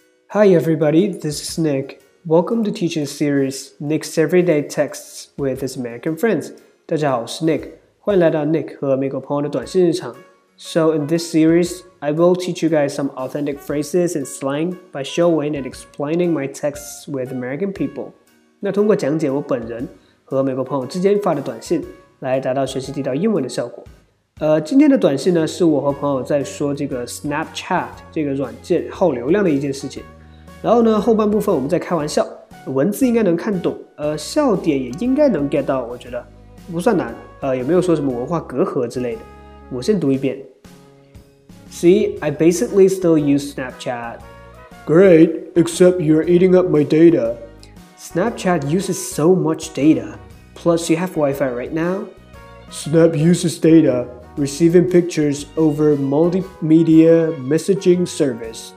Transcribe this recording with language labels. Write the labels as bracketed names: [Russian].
[English] Hi everybody, this is Nick. Welcome to teaching series Nick's Everyday Texts with his American friends. [Chinese] 大家好，我是 Nick， 欢迎来到 Nick 和美国朋友的短信日常。 [English] So in this series, I will teach you guys some authentic phrases and slang by showing and explaining my texts with American people. [Chinese] 那通过讲解我本人和美国朋友之间发的短信，来达到学习地道英文的效果。今天的短信呢，是我和朋友在说这个 Snapchat 这个软件耗流量的一件事情。然后呢，后半部分我们在开玩笑，文字应该能看懂，笑点也应该能 get 到，我觉得不算难。也没有说什么文化隔阂之类的。我先读一遍。 [English] See, I basically still use Snapchat. Great, except you're eating up my data. Snapchat uses so much data. Plus, you have Wi-Fi right now. Snap uses data. Receiving pictures over multimedia messaging service,